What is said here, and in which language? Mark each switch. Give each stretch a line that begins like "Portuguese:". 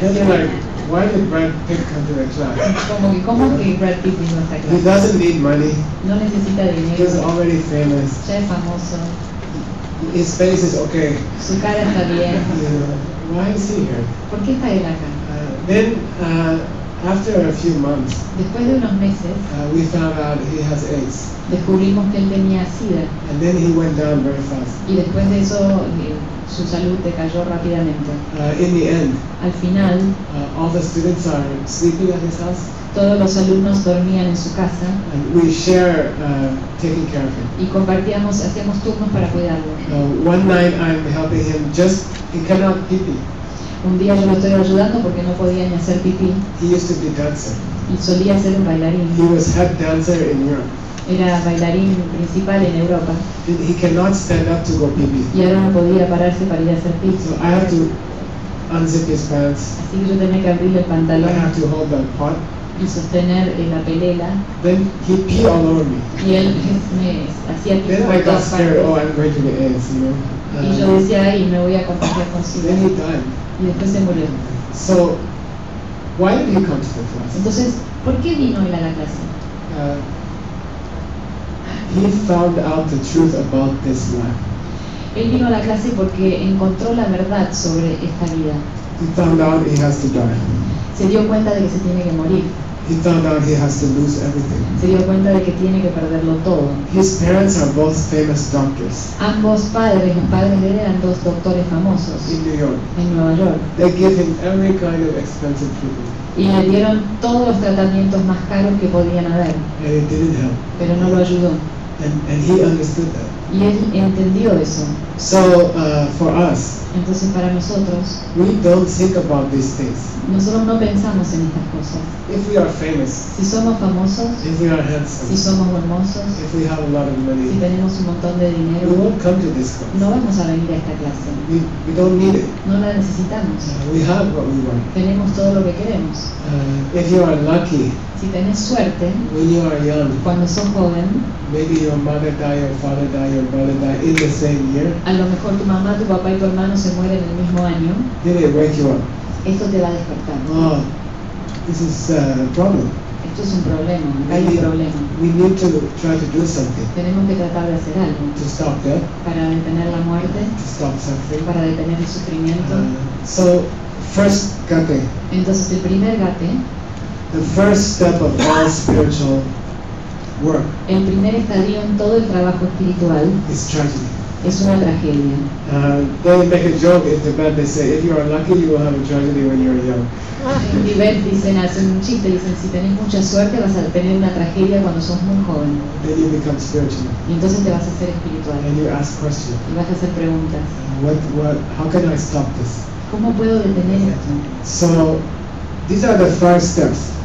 English: Then they're like, why did Brad Pitt come to the class?
Spanish: ¿Cómo que Brad Pitt vino a esta clase?
English: He doesn't need money.
Spanish: No necesita dinero.
English: He's already famous.
Spanish: Ya es famoso.
English: His face is okay.
Spanish: Su cara está bien. You
English: know, why is he here?
Spanish: ¿Por qué está él acá?
English: Then, after a few months,
Spanish: después de unos meses,
English: we found out he has AIDS.
Spanish: Descubrimos que él tenía SIDA.
English: And then he went down very fast.
Spanish: Y después de eso, su salud decayó rápidamente.
English: In the end,
Spanish: al final,
English: all the students are sleeping at his house.
Spanish: Todos los alumnos dormían en su casa.
English: And we share, taking care of him.
Spanish: Y compartíamos, hacíamos turnos para cuidarlo.
English: One night I'm helping him, just he cannot pee pee.
Spanish: Un día yo lo estoy ayudando porque no podía ni hacer pipí.
English: He used to be dancer.
Spanish: Y solía ser un bailarín.
English: He was head dancer in Europe.
Spanish: Era bailarín principal en Europa.
English: He cannot stand up to go pee pee.
Spanish: Y ahora no podía pararse para ir a hacer pipí.
English: So I have to unzip his pants.
Spanish: Así que yo tenía que abrirle el pantalón.
English: I have to hold the pot.
Spanish: Y sostener la pelela.
English: Then he pee all over me.
Spanish: Y él me hacía pipí.
English: Then I got scared. Oh, I'm going to the AIDS, you know.
Spanish: Y yo decía, ay, me voy a contagiar con su.
English: Then he died.
Spanish: Y después se murió.
English: So, why did he come to the class?
Spanish: Entonces, ¿por qué vino él a la clase?
English: He found out the truth about this life.
Spanish: Él vino a la clase porque encontró la verdad sobre esta vida.
English: He found out he has to die.
Spanish: Se dio cuenta de que se tiene que morir.
English: He found out he has to lose everything.
Spanish: Se dio cuenta de que tiene que perderlo todo.
English: His parents are both famous doctors.
Spanish: Ambos padres, los padres de él eran dos doctores famosos.
English: In New York.
Spanish: En Nueva York.
English: They give him every kind of expensive treatment.
Spanish: Y le dieron todos los tratamientos más caros que podían haber.
English: And it didn't help.
Spanish: Pero no lo ayudó.
English: And he understood that.
Spanish: Y él entendió eso.
English: So, for us,
Spanish: entonces para nosotros,
English: we don't think about these things.
Spanish: Nosotros no pensamos en estas cosas.
English: If we are famous,
Spanish: si somos famosos,
English: if we are handsome,
Spanish: si somos hermosos,
English: if we have a lot of money,
Spanish: si tenemos un montón de dinero,
English: we won't come to this class.
Spanish: No vamos a venir a esta clase.
English: We don't need it.
Spanish: No la necesitamos.
English: We have what we want.
Spanish: Tenemos todo lo que queremos.
English: If you are lucky,
Spanish: si tenés suerte,
English: when you are young,
Spanish: cuando sos joven,
English: maybe your mother die, your father die, your brother die in the same year.
Spanish: A lo mejor tu mamá, tu papá y tu hermano se mueren el mismo año.
English: Did it wake you up?
Spanish: Esto te va a despertar.
English: Oh, this is a problem.
Spanish: Esto es un problema, un problema.
English: We need to try to do something.
Spanish: Tenemos que tratar de hacer algo.
English: To stop death.
Spanish: Para detener la muerte.
English: To stop suffering.
Spanish: Para detener el sufrimiento.
English: So, first gate.
Spanish: Entonces el primer gate.
English: The first step of all spiritual work.
Spanish: El primer estadio en todo el trabajo espiritual.
English: Is tragedy.
Spanish: Es una tragedia.
English: They make a joke in Tibet. They say, if you are lucky, you will have a tragedy when you are young.
Spanish: En Tibet dicen, hacen un chiste, dicen, si tenés mucha suerte, vas a tener una tragedia cuando sos muy joven.
English: Then you become spiritual.
Spanish: Y entonces te vas a hacer espiritual.
English: And you ask questions.
Spanish: Y vas a hacer preguntas.
English: How can I stop this?
Spanish: ¿Cómo puedo detener esto?
English: So, these are the first steps.